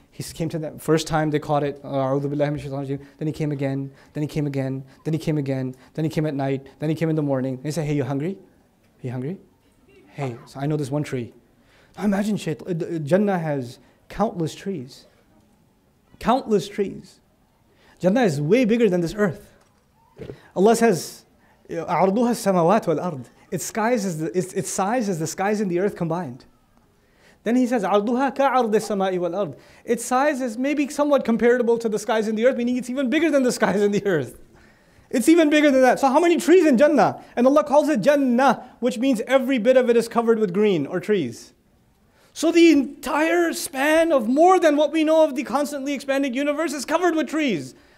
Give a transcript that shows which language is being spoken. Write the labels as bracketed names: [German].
[English] He came to them, first time they caught it, then he came again, then he came again, then he came again, then he came at night, then he came in the morning. They say, hey, you hungry? Are you hungry? Hey, so I know this one tree. Now imagine, Jannah has countless trees. Countless trees. Jannah is way bigger than this earth. Allah says, [Arabic] أَعْرْضُهَا السَّمَوَاتُ وَالْأَرْضِ. [English] Its size is the skies and the earth combined. Then he says, [Arabic] عَرْضُهَا كَعَرْضِ السَّمَاءِ وَالْأَرْضِ. [English] Its size is maybe somewhat comparable to the skies and the earth, meaning it's even bigger than the skies and the earth. It's even bigger than that. So how many trees in Jannah? And Allah calls it Jannah, which means every bit of it is covered with green or trees. So the entire span of more than what we know of the constantly expanding universe is covered with trees.